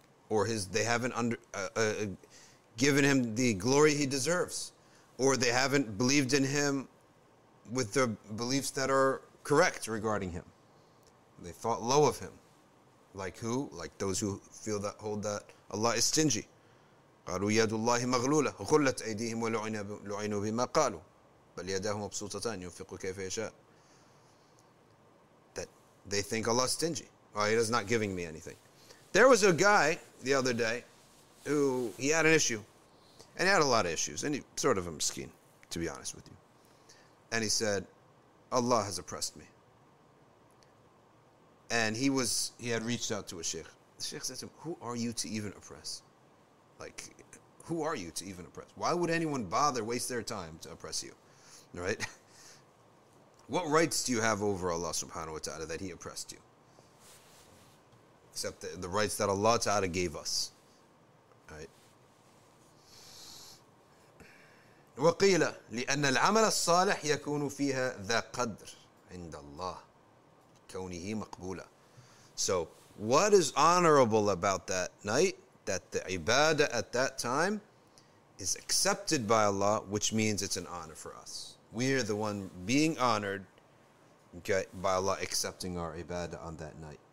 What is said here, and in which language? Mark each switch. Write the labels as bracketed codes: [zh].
[en] Or they haven't given him the glory he deserves. Or they haven't believed in him with the beliefs that are correct regarding him. They thought low of him. Like who? Like those who feel that, hold that Allah is stingy. [ar] قالوا يد الله مغلولة غلت أيديهم ولعنوا بما قالوا بل يداه مبسوطتان ينفق كيف يشاء. [en] That they think Allah is stingy. Well, he is not giving me anything. There was a guy the other day who he had an issue. And he had a lot of issues. And he sort of a miskin, to be honest with you. And he said, Allah has oppressed me. And he had reached out to a sheikh. The sheikh said to him, who are you to even oppress? Like, who are you to even oppress? Why would anyone bother, waste their time to oppress you? Right? What rights do you have over Allah subhanahu wa ta'ala that he oppressed you? Except the rights that Allah ta'ala gave us. Right? [ar] وقيل لأن العمل الصالح يكون فيها ذا قدر عند الله كونه مقبولا. [en] So what is honorable about that night, that the ibadah at that time is accepted by Allah, which means it's an honor for us. We are the one being honored, okay, by Allah accepting our ibadah on that night.